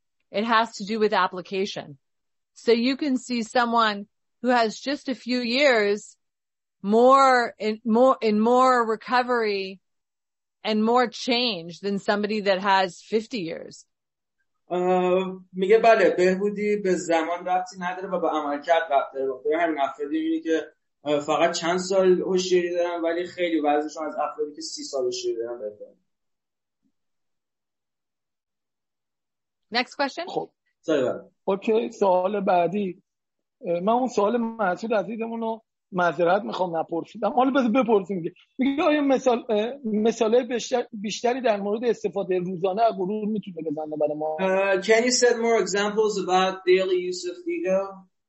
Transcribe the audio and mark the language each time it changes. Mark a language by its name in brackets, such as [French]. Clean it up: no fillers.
[English] It has to do with application. So you can see someone who has just a few years more recovery and more change than somebody that has 50 years. [Persian] میگه بله، بهبودی به زمان ربطی نداره و به عملکرد ربط داره. به همین افرادی میبینی که فقط چند سال هوشیاری دارن ولی خیلی وضعشون از افرادی که 30 سال هوشیاری دارن بهتره. [English] Next question. [Persian] خب. اوکی، سوال بعدی. من اون سوال مسعود عزیزمون رو معذرت میخوام نپرسیدم. حالا بذار بپرسیم. میگه آیا مثال بیشتری در مورد استفاده روزانه از غرور میتونه بزنه برای ما؟ [English] Can you set more examples about daily use of ego?